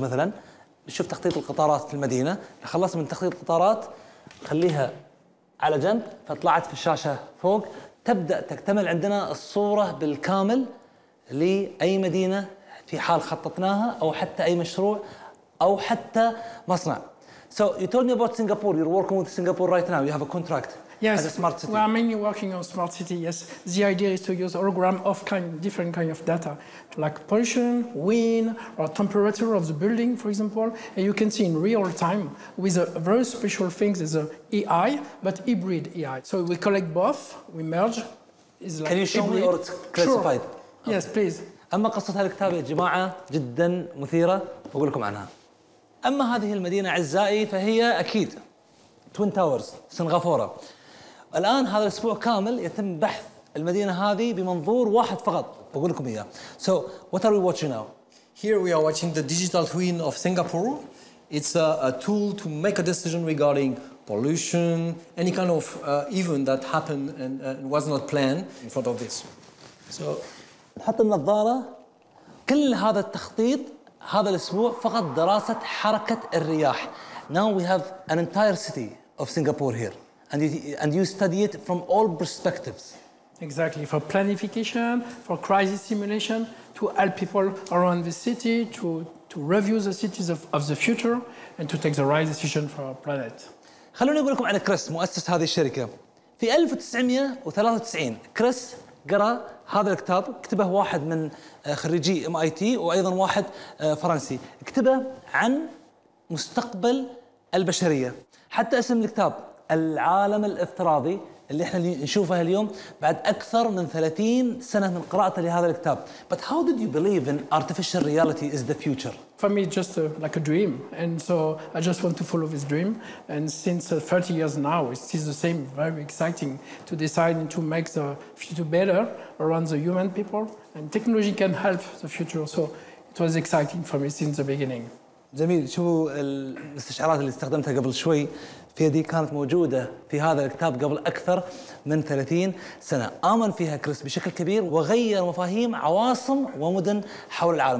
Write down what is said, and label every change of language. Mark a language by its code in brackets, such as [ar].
[ar] مثلا نشوف تخطيط القطارات في المدينة، خلص من تخطيط القطارات خليها على جنب، فطلعت في الشاشة فوق تبدأ تكتمل عندنا الصورة بالكامل لأي مدينة في حال خططناها أو حتى أي مشروع أو حتى مصنع. [en] So you told me about Singapore. You're working with Singapore right now. You have a contract. Yes. As a smart city. We are mainly working on smart city. Yes. The idea is to use hologram of kind, different kind of data, like pollution, wind, or temperature of the building, for example. And you can see in real time with a very special things as a AI, but hybrid AI. So we collect both, we merge. Is like. Can you show me or it's classified? Sure. Okay. Yes, please. [ar] أما قصة هذا الكتاب يا جماعة جدا مثيرة، بقول لكم عنها. أما هذه المدينة أعزائي فهي أكيد توين تاورز سنغافورة. الآن هذا الأسبوع كامل يتم بحث المدينة هذه بمنظور واحد فقط بقول لكم إياه. [en] So what are we watching now? Here we are watching the digital twin of Singapore. It's a tool to make a decision regarding pollution, any kind of event that happened and was not planned in front of this. [ar] So حط النظارة. كل هذا التخطيط هذا الأسبوع فقط دراسة حركة الرياح. [en] Now we have an entire city of Singapore here, and you study it from all perspectives. Exactly, for planification, for crisis simulation, to help people around the city, to review the cities of the future, and to take the right decision for our planet. [ar] خلوني أقول لكم عن كريس مؤسس هذه الشركة. في 1993 كريس قرأ هذا الكتاب، كتبه واحد من خريجي MIT وأيضا واحد فرنسي، كتبه عن مستقبل البشرية. حتى اسم الكتاب العالم الافتراضي اللي احنا نشوفه اليوم بعد أكثر من 30 سنة من قراءته لهذا الكتاب. [en] But how did you believe in artificial reality is the future? For me, just like a dream, and so I just want to follow this dream. And since 30 years now, it's still the same, very exciting to decide to make the future better around the human people. And technology can help the future. So it was exciting for me since the beginning. [ar] جميل، شوفوا الاستشعارات اللي استخدمتها قبل شوي في هذه كانت موجودة في هذا الكتاب قبل أكثر من 30 سنة. آمن فيها كريس بشكل كبير وغير مفاهيم عواصم ومدن حول العالم.